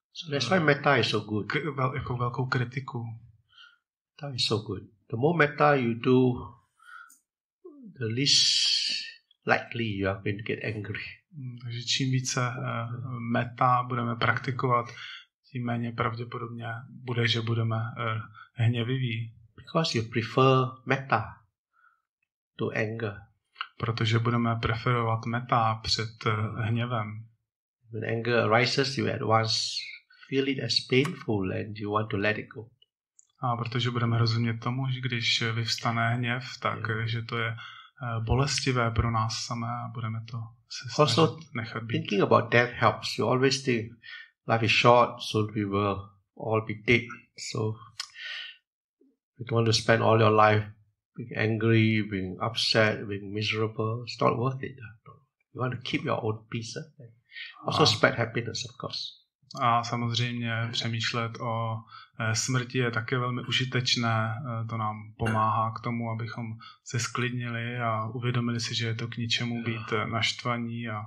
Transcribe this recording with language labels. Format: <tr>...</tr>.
<en>that's why metta is so good.</en> <cs>Jako velkou kritiku.</cs> <en>Metta is so good. The more metta you do, the least likely you are going to get angry.</en> <cs>Takže čím více metta budeme praktikovat, tím méně pravděpodobně bude, že budeme hněviví.</cs> <en>Because you prefer metta to anger.</en> <cs>Protože budeme preferovat metta před hněvem.</cs> <en>When anger arises, you at once feel it as painful and you want to let it go.</en> <cs>A protože budeme rozumět tomu, že když vyvstane hněv, tak že to je bolestivé pro nás samé a budeme to se snažit nechat být.</cs> <en>Thinking about death helps. You always think life is short, so we will all be dead. So you don't want to spend all your life being angry, being upset, being miserable. It's not worth it. You want to keep your own peace. Also spread happiness, of course.</en> <cs>A samozřejmě přemýšlet o smrti je také velmi užitečné. To nám pomáhá k tomu, abychom se sklidnili a uvědomili si, že je to k ničemu být naštvaní.</cs>